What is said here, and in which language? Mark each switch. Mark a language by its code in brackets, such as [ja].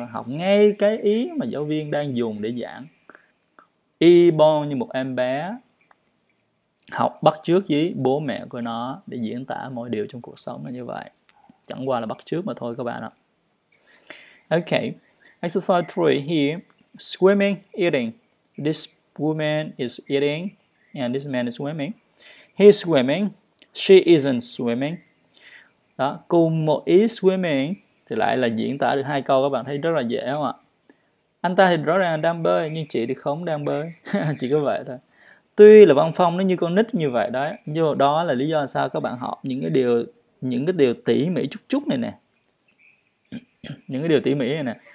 [vi] Học ngay cái ý mà giáo viên đang dùng để giảng. Y bon như một em bé học bắt chước với bố mẹ của nó để diễn tả mọi điều trong cuộc sống là như vậy. Chẳng qua là bắt chước mà thôi các bạn ạ. [en] Ok, exercise 3 here. Swimming, eating. This woman is eating and this man is swimming. He's swimming. She isn't swimming. [vi] Đó, cùng một ý swimming thì lại là diễn tả được hai câu, các bạn thấy rất là dễ không ạ? Anh ta thì rõ ràng đang bơi nhưng chị thì không đang bơi. Chỉ có vậy thôi. Tuy là văn phong nó như con nít như vậy đấy, nhưng đó là lý do sao các bạn học những cái điều tỉ mỉ chút chút này nè. Những cái điều tỉ mỉ này nè.